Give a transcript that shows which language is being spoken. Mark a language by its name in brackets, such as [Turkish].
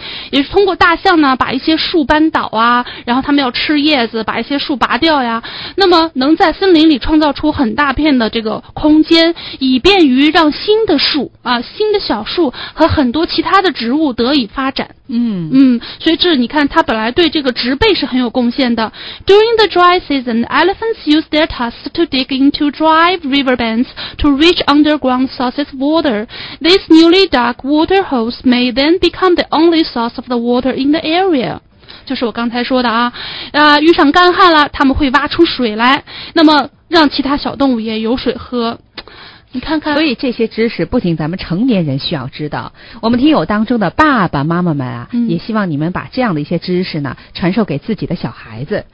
[Chinese] 也是通过大象呢把一些树搬倒啊，然后他们要吃叶子，把一些树拔掉呀，那么能在森林里创造出很大片的这个空间，以便于让新的树啊、新的小树和很多其他的植物得以发展。嗯嗯，所以这你看，它本来对这个植被是很有贡献的。 [English] During the dry season, elephants use their tusks to dig into dry riverbeds to reach underground sources of water. These newly dug water holes may then become the only source of the water in the area. [Chinese] 就是我刚才说的啊，遇上干旱了，他们会挖出水来，那么让其他小动物也有水喝。你看看，所以这些知识不仅咱们成年人需要知道，我们听友当中的爸爸妈妈们啊，嗯，也希望你们把这样的一些知识呢传授给自己的小孩子，